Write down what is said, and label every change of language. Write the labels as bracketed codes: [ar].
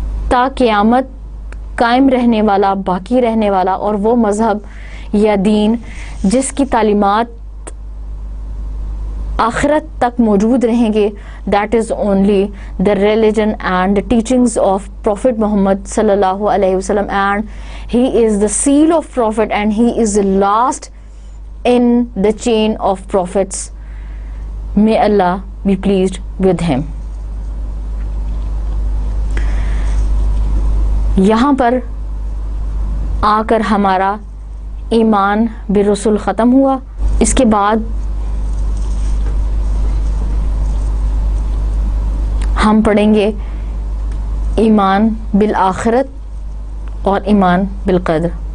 [ur] تا قیامت قائم رہنے والا, باقی رہنے والا, اور وہ مذہب یا دین جس کی تعلیمات آخرت تک موجود رہیں گے, [en] that is only the religion and the teachings of Prophet Muhammad sallallahu alaihi wasallam, and he is the seal of Prophet and he is the last in the chain of Prophets. May Allah be pleased with him. [ur] یہاں پر آ کر ہمارا ایمان برسول ختم ہوا. اس کے بعد ہم پڑھیں گے ایمان بالآخرت اور ایمان بالقدر.